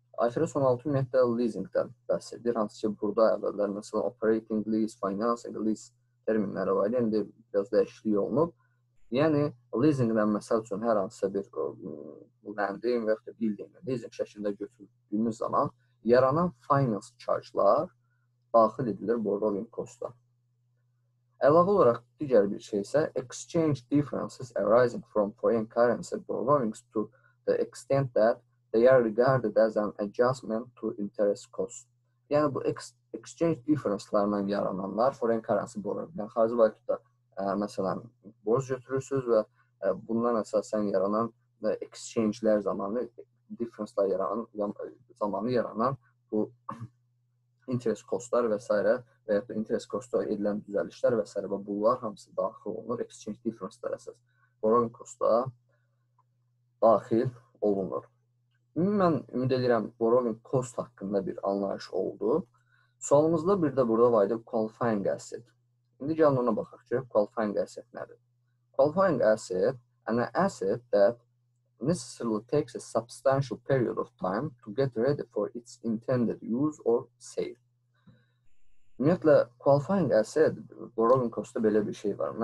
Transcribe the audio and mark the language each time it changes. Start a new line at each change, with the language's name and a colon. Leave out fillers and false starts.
Azerbaijani: IFRS 16 ümumiyyətlə, leasingdən bəhs edir. Hansı ki, burada əvvəllər, məsələn, operating lease, financing lease terminləri var. İndi biraz dəyişiklik olunub. Yəni, leasingdən, məsəl üçün, hər hansısa bir landing və yaxud da building, leasing şəklində götürdüyümüz zaman yaranan finance charge-lar daxil edilir borrowing cost-a. Əlavə olaraq, digər bir şey isə
English: exchange differences arising from foreign currency borrowings to the extent that they are regarded as an adjustment to interest cost.
Azerbaijani: Yəni, bu exchange difference-larla yarananlar foreign currency borrowing. Yəni, xarici valyutada, məsələn, borc götürürsünüz və bundan əsasən yaranan exchange-lər zamanı difference-lar yaranan, zamanı yaranan bu interest cost-lar və s. və yaxud da interest cost-a edilən düzəlişlər və s. və bunlar hamısı daxil olunur. Exchange difference-lar əsas borrowing cost-a daxil olunur. Mən ümid edirəm, borrowing cost haqqında bir anlayış oldu. Sualımızda bir də burada var idi, qualifying asset. İndi gəlin ona baxaq ki, qualifying asset nədir?
English: Qualifying asset, an asset that necessarily takes a substantial period of time to get ready for its intended use or sale.
Azerbaijani: Ümumiyyətlə, qualifying asset, borrowing cost-da belə bir şey var.